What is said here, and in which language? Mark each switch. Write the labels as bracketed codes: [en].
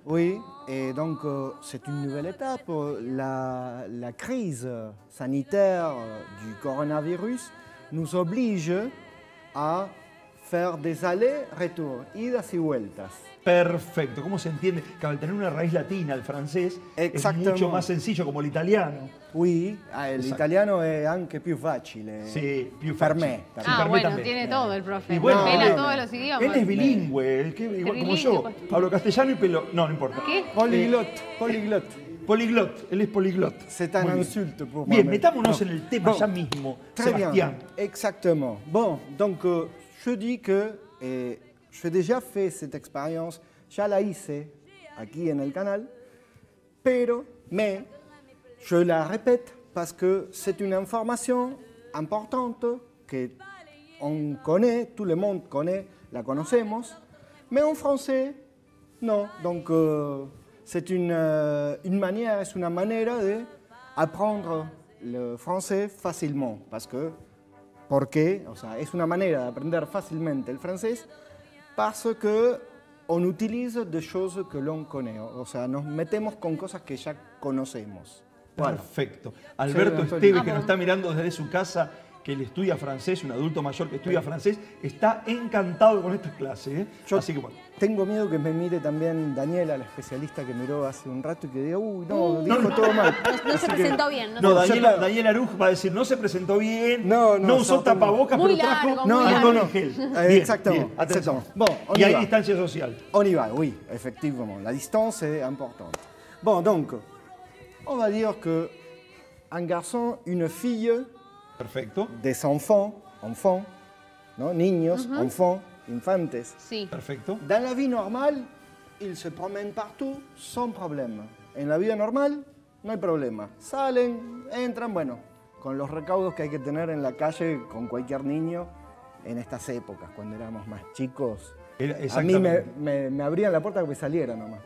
[fr] Oui, et donc c'est une nouvelle étape. La crise sanitaire du coronavirus nous oblige à faire des allers-retours, [es] idas y vueltas. Perfecto. ¿Cómo se entiende? Que al tener una raíz latina, el francés, es mucho más sencillo, como el italiano. Oui, el italiano es [it] anche più facile. Sí, più facile. Per me. [es] Ah, bueno, también. Tiene todo el profe. Y bueno, todos los idiomas. Él es bilingüe, igual como yo. Hablo castellano y pelo. No, no importa. ¿Qué? Poliglot, poliglot. Poliglot, él es poliglot. [fr] C'est un [es] insulto [fr] pour moi. [es] Bien, metámonos en el tema ya mismo, Sebastián. [fr] Exactement. Bon, donc, je dis que... J'ai déjà fait cette expérience, [es] ya la hice aquí en el canal, pero, [fr] mais, je la répète parce que c'est une information importante que on connaît, tout le monde connaît, [es] la conocemos, [fr] mais en français, non. Donc, c'est une manière, c'est une manière d'apprendre le français facilement. Parce que, pourquoi? [es] O sea, es una manera de aprender fácilmente el francés. [fr] Parce qu'on utilise des choses que l'on connaît. [es] O sea, nos metemos con cosas que ya conocemos. Perfecto. Alberto Esteves, que nos está mirando desde su casa, que él estudia francés, un adulto mayor que estudia francés, está encantado con estas clases. ¿Eh? Así que, bueno. Tengo miedo que me mire también Daniela, la especialista que miró hace un rato y que diga, uy, no, dijo no, todo mal. No se presentó bien. No, Daniela Aruj va a decir, no se presentó bien, no usó tapabocas, muy pero largo, trajo... No. Bien, y hay distancia social. [fr] On y va, oui, efectivamente. [es] La distancia es importante. [fr] Bon, donc, on va dire que un garçon, une fille... [es] Perfecto. [fr] Des enfants, enfants, [es] ¿no? Niños, [fr] uh-huh. Enfants, infantes. [es] Sí. Perfecto. [fr] Dans la vie normale, ils se promènent partout sans problème. [es] En la vida normal, no hay problema. Salen, entran, bueno, con los recaudos que hay que tener en la calle con cualquier niño en estas épocas, cuando éramos más chicos. Exactamente. A mí me abrían la puerta que me saliera nomás.